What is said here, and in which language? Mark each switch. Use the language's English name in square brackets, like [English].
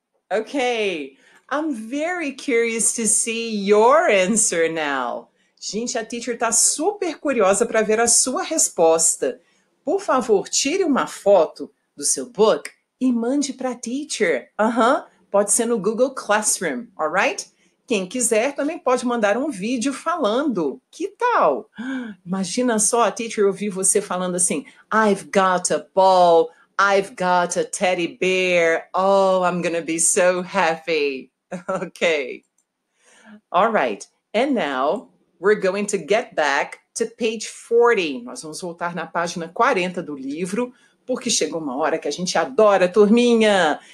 [English] Okay, I'm very curious to see your answer now. [Portuguese] Gente, a teacher tá super curiosa para ver a sua resposta. Por favor, tire uma foto do seu book e mande para a teacher. Uhum. Pode ser no Google Classroom, alright? Quem quiser também pode mandar um vídeo falando. Que tal? Imagina só a teacher ouvir você falando assim, [English] I've got a ball, I've got a teddy bear, oh, I'm gonna be so happy. [Portuguese] Okay. [English] Alright, and now we're going to get back to page 40. [Portuguese] Nós vamos voltar na página 40 do livro, porque chegou uma hora que a gente adora, turminha.